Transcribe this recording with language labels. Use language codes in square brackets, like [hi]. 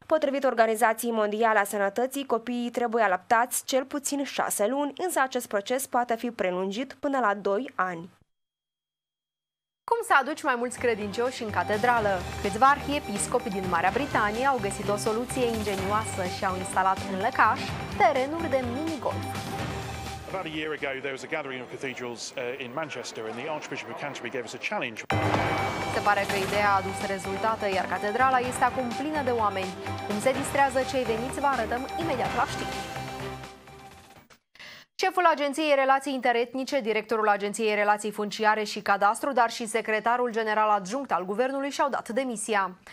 [ro] Potrivit Organizației Mondiale a Sănătății, copiii trebuie alăptați cel puțin 6 luni, însă acest proces poate fi prelungit până la 2 ani. Cum să aduci mai mulți credincioși în catedrală? Câțiva arhiepiscopi din Marea Britanie au găsit o soluție ingenioasă și au instalat în Lăcaș terenuri de mini-golf. [en] About a year ago there was a gathering of cathedrals in Manchester and the Archbishop of Canterbury gave us a challenge. [ro] Se pare că ideea a adus rezultate, iar catedrala este acum plină de oameni. Cum se distrează cei veniți, vă arătăm imediat la știri. Șeful Agenției Relații Interetnice, directorul Agenției Relații Funciare și Cadastru, dar și secretarul general adjunct al Guvernului și-au dat demisia.